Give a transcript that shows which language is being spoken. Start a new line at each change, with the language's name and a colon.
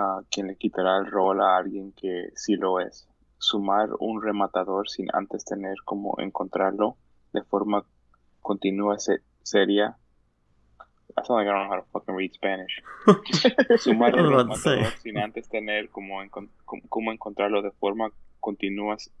Spanish: quien le quitará el rol a alguien que sí lo es. Sumar un rematador sin antes tener cómo encontrarlo de forma continua sería.
English: I sound like I don't know how to fucking read Spanish.
Spanish: Sumar un rematador sin antes tener cómo encontrarlo de forma continua.